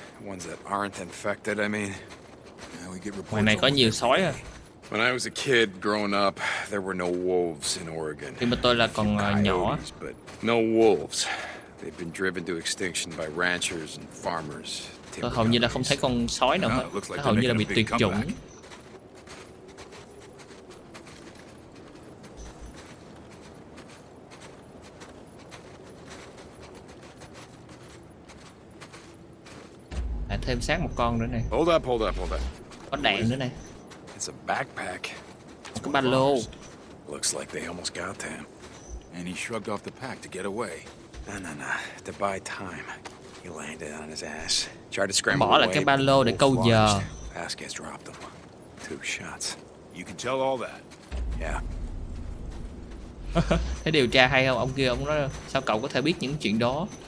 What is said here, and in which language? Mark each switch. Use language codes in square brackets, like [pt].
[en] Ones that aren't infected, I mean. Yeah, we get reports. [vi] Này có nhiều sói à. [en] When I was a kid growing up, there were no wolves in Oregon. [vi] Khi mà tôi là còn nhỏ. [en] But no wolves. They've been driven to extinction by ranchers and farmers. [vi] Tôi hầu như là không thấy con sói nào hết. Hầu như là bị tuyệt chủng. [en] Comeback. [vi] thêm xác một con nữa này. [en] Hold up. [vi] Có đạn nữa này. [en] It's a backpack. [vi] Có ba lô. [en] Looks like they almost got him. And he shrugged off the pack to get away. Nah. To buy time. He landed on his ass. Tried to scramble [vi] away. Bỏ lại cái ba lô để câu giờ. [en] Vasquez dropped him. Two shots. You can tell all that. Yeah. [vi] Thế điều tra hay không? Ông kia ông nói sao cậu có thể biết những chuyện đó?